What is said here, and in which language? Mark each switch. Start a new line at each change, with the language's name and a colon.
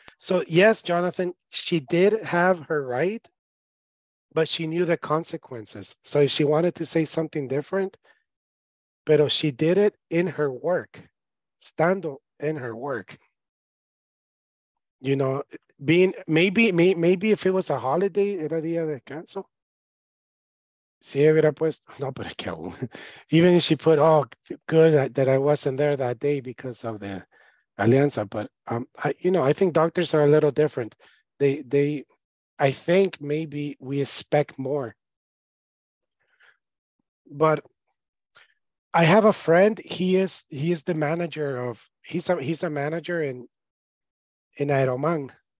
English: So yes, Jonathan, she did have her right, but she knew the consequences. So if she wanted to say something different, but she did it in her work, stando in her work. You know, being maybe if it was a holiday,
Spanish: era día de descanso. Si hubiera puesto, no, pero es que aún.
English: Even if she put, oh, good that I wasn't there that day because of the alianza. But, I think doctors are a little different. They, I think maybe we expect more. But I have a friend, he is the manager of, he's a manager in Aeroman.